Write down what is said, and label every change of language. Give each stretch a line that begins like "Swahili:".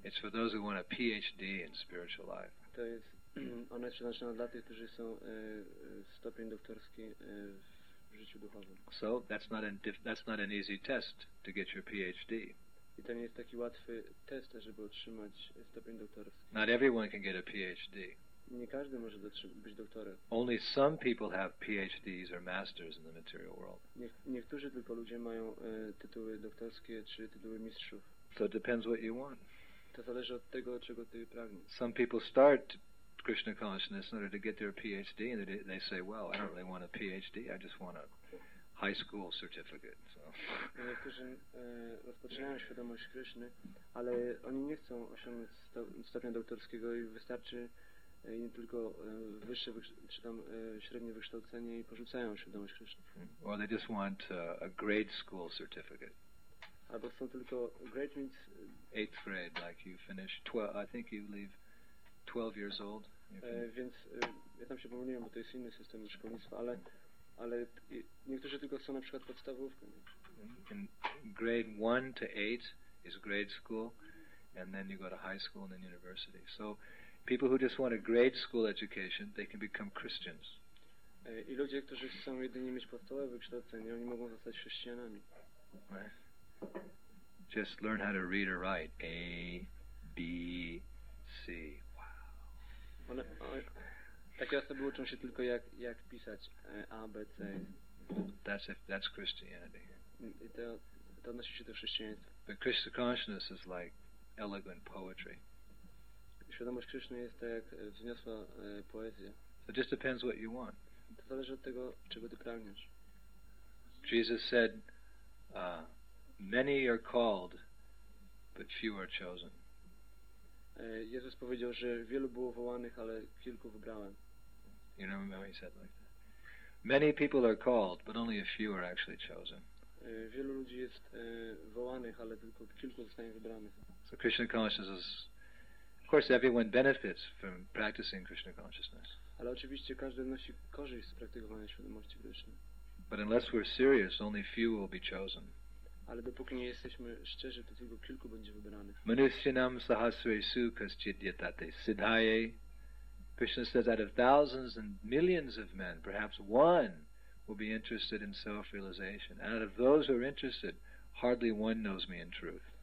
English: It's for those who want a PhD in spiritual life.
Polish: To jest ona przeznaczona dla tych, którzy są stopień doktorski w życiu duchowym.
English: So that's not an easy test to get your PhD.
Polish: I to nie jest taki łatwy test, żeby otrzymać stopień doktorski.
English: Not everyone can get a PhD.
Polish: Nie każdy może być doktorem.
English: Only some people have PhDs or masters in the material world.
Polish: Niektórzy tylko ludzie mają tytuły doktorskie czy tytuły mistrzów.
English: So it depends what you want.
Polish: To zależy od tego, czego ty pragniesz.
English: Some people start Krishna consciousness in order to get their PhD and they say, well, I don't really want a PhD, I just want a high school certificate. So.
Polish: Niektórzy rozpoczynają świadomość Krishny, ale oni nie chcą osiągnąć stopnia doktorskiego i wystarczy i nie tylko wyższe czy tam średnie wykształcenie i porzucają świadomość Krishna.
English: Or they just want a grade school certificate.
Polish: Albo są tylko
English: grade means 8th grade, like you finish 12, I think you leave 12 years old.
Polish: Więc ja tam się pomyliłem, bo to jest inny system szkolnictwa, ale niektórzy tylko są na przykład podstawówkę.
English: Grade 1 to 8 is grade school and then you go to high school and then university. So people who just want a grade school education, they can become Christians.
Polish: I ludzie, którzy chcą jedynie mieć podstawowe wykształcenie, oni mogą zostać chrześcijanami.
English: Right. Just learn how to read or write. A, B, C. Wow.
Polish: Takie osoby uczą się tylko jak pisać A, B, C.
English: That's Christianity.
Polish: To odnosi się do chrześcijaństwa.
English: But Krishna consciousness is like elegant poetry.
Polish: Świadomość Krishna jest tak jak wzniosła poezja.
English: So it just depends what you want.
Polish: To zależy od tego, czego ty pragniesz.
English: Jesus said, many are called, but few are chosen.
Polish: Jezus powiedział, że wielu było wołanych, ale kilku wybrałem.
English: You know how he said like that? Many people are called, but only a few are actually chosen.
Polish: Wielu ludzi jest wołanych, ale tylko kilku zostanie wybranych.
English: So Krishna consciousness is, of course, everyone benefits from practicing Krishna consciousness.
Polish: Ale oczywiście każdy nosi korzyść z praktykowania świadomości Krishna.
English: But unless we're serious, only few will be chosen.
Polish: Ale dopóki nie jesteśmy szczerzy, to tylko kilku będzie wybranych.
Sanskrit: Manushyanam sahasresu kaschid yatate siddhaye.
English: Krishna says out of thousands and millions of men, perhaps one will be interested in self-realization. And out of those who are interested, hardly one knows me in truth.